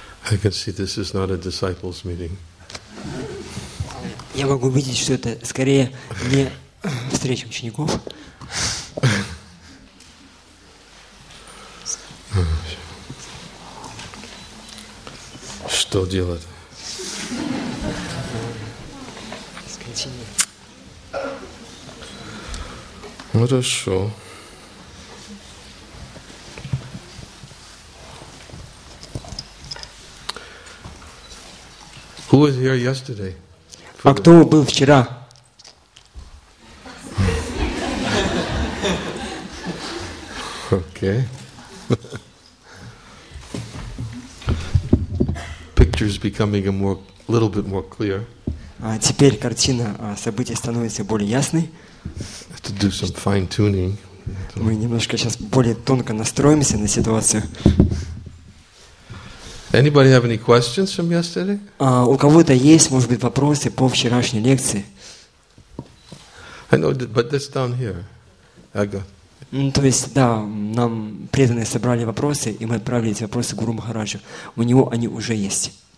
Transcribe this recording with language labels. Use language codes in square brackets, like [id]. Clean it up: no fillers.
[en] I can see this is not a disciples meeting. [ru] Я могу видеть, что это скорее не встреча учеников. Что делать? Хорошо. [en] Who was here yesterday? [ru] А кто был вчера? [en] Okay. Picture's becoming a more, little bit more clear. [ru] Теперь картина событий становится более ясной. [en] Have to do some fine-tuning. [ru] Мы немножко сейчас более тонко настроимся на ситуацию. [en] Anybody have any questions from yesterday? [ru] У кого-то есть, может быть, вопросы по вчерашней лекции? [en] I know, but this down here, Aga. [ru] Ну, то есть, да, нам преданные собрали вопросы, и мы отправили эти вопросы Гуру Махараджу. У него они уже есть.